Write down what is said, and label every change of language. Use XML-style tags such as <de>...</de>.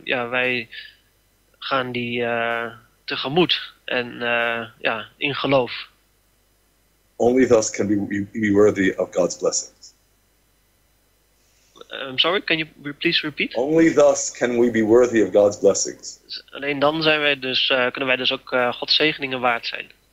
<nl>Wij gaan die tegemoet en in geloof.</nl> <en>Only thus can we be worthy of God's blessings. I'm sorry, can you please repeat? Only thus can we be worthy of God's blessings.</en> <nl>Alleen dan zijn wij dus, kunnen wij dus ook Gods zegeningen waard zijn.</nl>